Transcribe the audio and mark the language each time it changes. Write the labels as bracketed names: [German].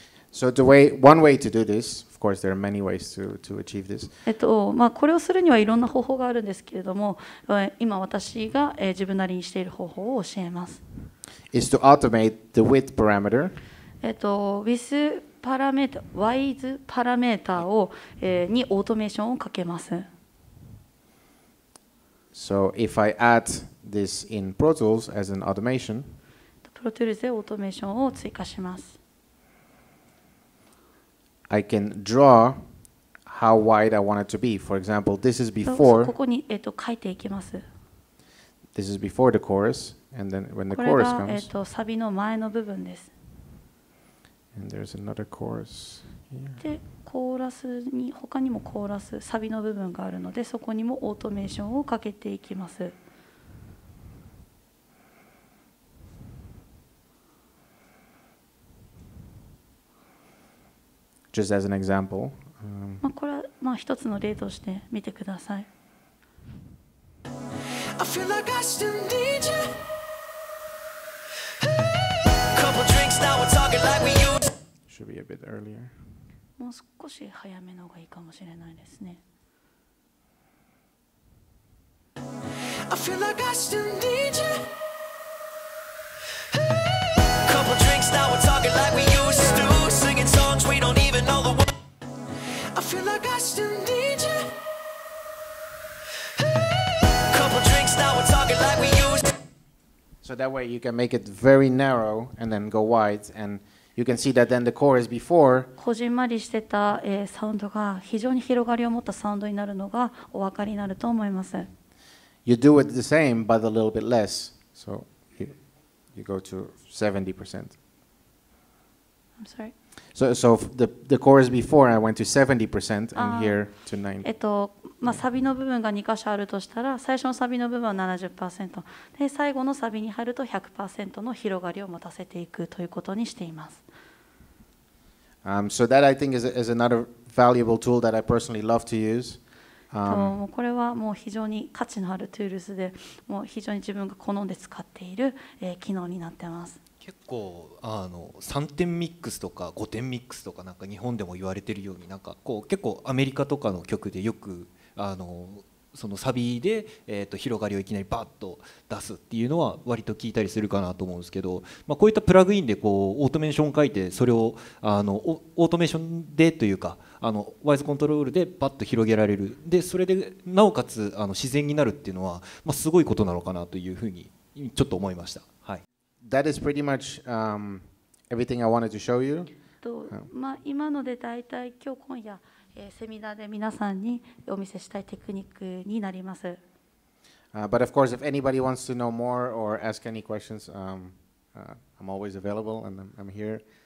[English] So the way, one way to do this, of course, there are many ways to achieve this. [Japanese] まあ、これをするにはいろんな方法があるんですけれども、今私が自分なりにしている方法を教えます。 [English] Is to automate the width parameter. [Japanese] Withパラメータ、ワイズパラメーターを、にオートメーションをかけます。 [English] So if I add this in Pro Tools as an automation, [Japanese] Pro Tools でオートメーションを追加します。 [English] I can draw how wide I want it to be. For example, this is before. [Japanese] ここに書いていきます。 [English] This is before the chorus, and then when the chorus comes. [Japanese] これが、サビの前の部分です。 [English] And there's another chorus here. [Japanese] で、コーラスに他にもコーラス、サビの部分があるので、そこにもオートメーションをかけていきます。 [English] Just as an example. [Japanese] まあこれはまあ一つの例として見てください。 [English] I feel like I still need you. Couple drinks, now we're talking like we used. Should be a bit earlier. [Japanese] もう少し早めのがいいかもしれないですね。 [English] I feel like I still need you. Couple drinks now we're talking like we used to. Singing songs we don't even know the words. I feel like I still need you. Couple drinks now we're talking like we used to. So that way you can make it very narrow and then go wide and. You can see that then the chorus before. [Japanese] こじんまりしてた、サウンドが非常に広がりを持ったサウンドになるのがお分かりになると思います。 [English] You do it the same, but a little bit less. So you go to 70%. I'm sorry. So the chorus before I went to 70% and here to 90. [Japanese] まあ、サビの部分が2箇所あるとしたら、最初のサビの部分は 70% で、最後のサビに入ると 100% の広がりを持たせていくということにしています。 [English] So that I think is another valuable tool that I personally love to use. [Japanese] これはもう非常に価値のあるツールスで、もう非常に自分が好んで使っている、機能になってます。結構3点ミックスとか5点ミックスとか、なんか日本でも言われているように、なんかこう結構アメリカとかの曲でよくそのサビで、広がりをいきなりバッと出すっていうのは割と聞いたりするかなと思うんですけど、まあ、こういったプラグインでこうオートメーション書いて、それをオートメーションでというか、ワイズコントロールでバッと広げられる、でそれでなおかつ自然になるっていうのは、まあ、すごいことなのかなというふうにちょっと思いました。はい。 [English] That is pretty much everything I wanted to show you. [Japanese] まあ、今のでだいたい今日今夜セミナーで皆さんにお見せしたいテクニックになります。 [English] But of course if anybody wants to know more or ask any questions, I'm always available and I'm here.